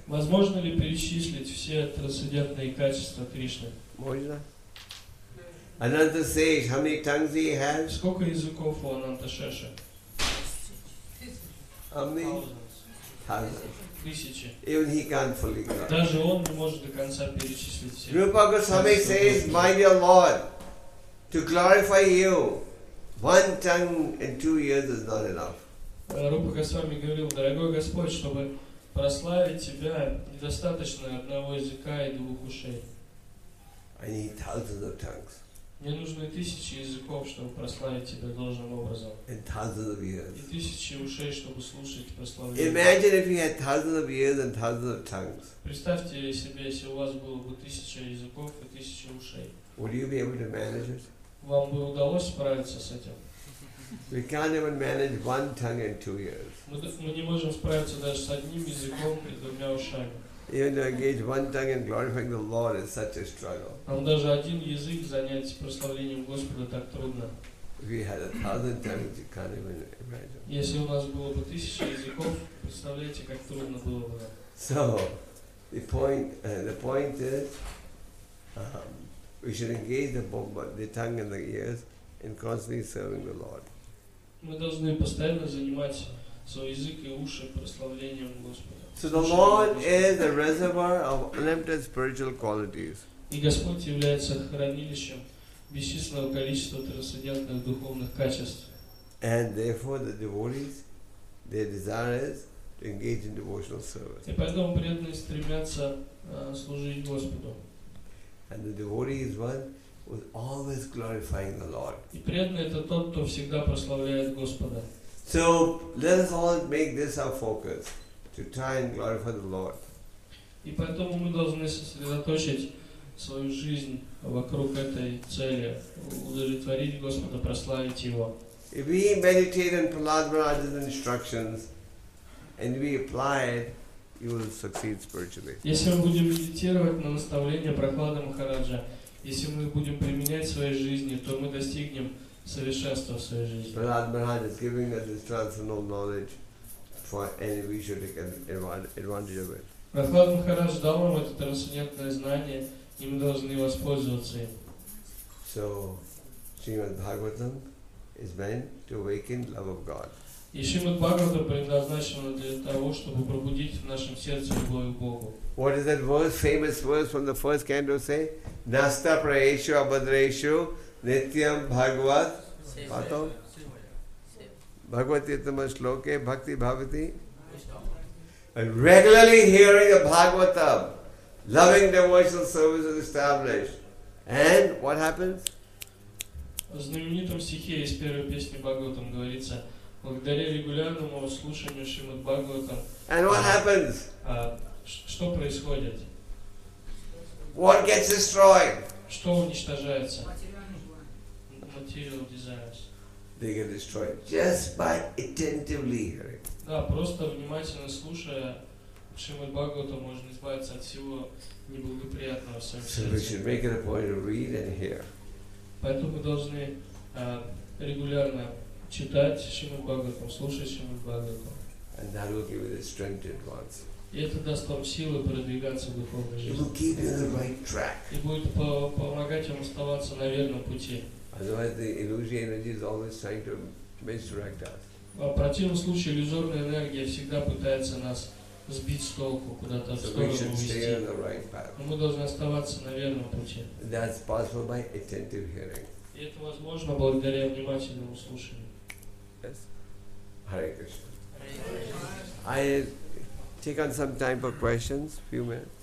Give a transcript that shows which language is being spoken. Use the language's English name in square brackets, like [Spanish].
[Russian] Возможно ли перечислить все трансцендентные качества Кришны? Можно. [English] Ananta says, how many tongues he has? [Russian] Сколько языков у Ананта Шеши? [English] How many? [Russian] Тысячи. [English] Even he can't fully count. [Russian] Даже он не может до конца перечислить все. [English] Rupa Goswami says, my dear Lord, to glorify you, one tongue and two ears is not enough. [Russian] Rupa Goswami говорил, дорогой Господь, чтобы прославить тебя, недостаточно одного языка и двух ушей. [English] I need thousands of tongues. [Russian] Мне нужны тысячи языков, чтобы прославить тебя должным образом. [English] And thousands of ears. [Russian] И тысячи ушей, чтобы слушать и прославить. [English] Imagine if you had thousands of ears and thousands of tongues. [Russian] Представьте себе, если у вас было бы тысяча языков и тысяча ушей. [English] Would you be able to manage it? [Russian] Вам бы удалось справиться с этим? [English] We can't even manage one tongue and two ears. [Russian] Мы не можем справиться даже с одним языком и двумя ушами. [English] Even to engage one tongue in glorifying the Lord is such a struggle. [Russian] Нам даже один язык занять прославлением Господа так трудно. [English] If we had a thousand tongues, you can't even imagine. [Russian] Если у нас было бы тысяча языков, представляете, как трудно было бы. [English] So, the point is, we should engage the tongue and the ears in constantly serving the Lord. [Russian] Мы должны постоянно занимать свой язык и уши прославлением Господа. [English] So the Lord is the reservoir of unlimited spiritual qualities. [Russian] И Господь является хранилищем бесчисленного количества трансцендентных духовных качеств. [English] And therefore the devotees, their desire is to engage in devotional service. [Russian] И поэтому преданные стремятся служить Господу. [English] And the devotee is one who is always glorifying the Lord. [Russian] И преданный это тот, кто всегда прославляет Господа. [English] So let us all make this our focus. To try and glorify the Lord. [Russian] И поэтому мы должны сосредоточить свою жизнь вокруг этой цели, удовлетворить Господа, прославить Его. [English] If we meditate on Prahlad Maharaj's instructions and we apply it, you will succeed spiritually. [Russian] Если мы будем медитировать на наставления Прахлада Махараджа, если мы будем применять в своей жизни, то мы достигнем совершенства в своей жизни. [English] Prahlad Maharaj is giving us this transcendental knowledge. For any we should take advantage of it. [Russian] Прахлад Махарадж дал нам это трансцендентное знание, и мы должны воспользоваться им. [English] So, Srimad Bhagavatam is meant to awaken love of God. [Russian] И Шримад Бхагавата предназначена для того, чтобы пробудить в нашем сердце любовь к Богу. [English] What is that verse, famous verse from the first canto say? [Sanskrit] Nasta praeshu abhadreshu nityam bhagavat. Pato? Bhagavati yatama shloke bhakti bhavati. [English] And regularly hearing a Bhagavatam, loving devotional service is established. And what happens? [Russian] В знаменитом стихе из первой песни Бхагаватам говорится, благодаря регулярному слушанию Шримад Бхагаватам. [English] And what happens? [Russian] Что происходит? [English] What gets destroyed? [Russian] Что уничтожается? [English] Material desires. They get destroyed just by attentively hearing. [Russian] Да, просто внимательно слушая Шримад Бхагаватам можно избавиться от всего неблагоприятного в своем сердце. [English] So we should make it a point to read and hear. [Russian] Поэтому мы должны регулярно читать Шримад Бхагаватам, слушать Шримад Бхагаватам. [English] And that will give you the strength to advance. [Russian] И это даст вам силы продвигаться в духовной жизни. [English] It will keep you on the right track. [Russian] И будет помогать вам оставаться на верном пути. [English] Otherwise, the illusory energy is always trying to misdirect us. [Russian] В противном случае иллюзорная энергия всегда пытается нас сбить с толку, куда-то в сторону увести. Но мы должны оставаться на верном пути. [English] That's possible by attentive hearing. [Russian] И это возможно благодаря внимательному слушанию. [English] Yes. Hare Krishna. I take on some time for questions, few minutes.